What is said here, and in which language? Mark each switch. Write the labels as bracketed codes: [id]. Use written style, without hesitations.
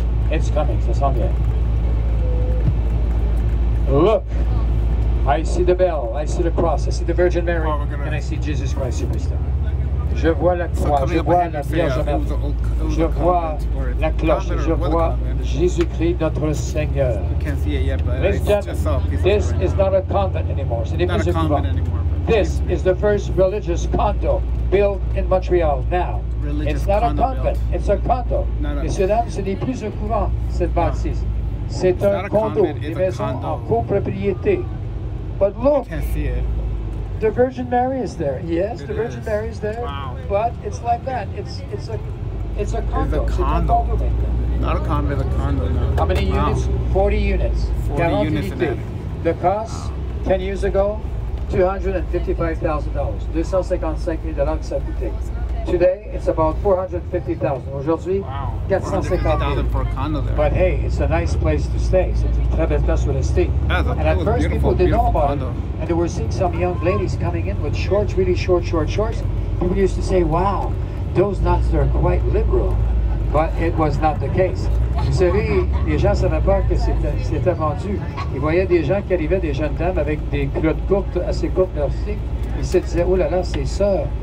[en] It's coming, [fr] ça sent bien. [en] Look, I see the bell, I see the cross, I see the Virgin Mary, and I see Jesus Christ Superstar. [fr] Je vois la croix, je vois la Vierge Mère, je vois la cloche, je vois Jésus-Christ notre Seigneur. [en] Ladies and gentlemen, this is not a convent anymore. Not a convent anymore. This is the first religious condo built in Montreal now. It's not a convent, it's a condo. [fr] Monsieur Dame, ce n'est plus un couvent, cette bâtisse. C'est un condo, des maisons en copropriété. [en] But look, the Virgin Mary is there. Yes, the Virgin Mary is there. Wow. But it's like that. It's a condo. It's a condo. Not a convent, a condo. No. How many units? 40 units. 40 units in that. The cost, 10 years ago, $255,000. 255,000 [fr] ça coûtait. [en] Today, it's about $450,000. [fr] Aujourd'hui, [en] But hey, it's a nice place to stay. Yeah, and at first, people didn't know about condo. It. And they were seeing some young ladies coming in with shorts, really short shorts. People used to say, wow, those nuns are quite liberal. But it was not the case. [fr] Vous savez, les gens ne savaient pas que c'était vendu. Ils voyaient des gens qui arrivaient, des jeunes dames, avec des culottes courtes, assez courtes, merci. Ils se disaient, oh là là, c'est ça.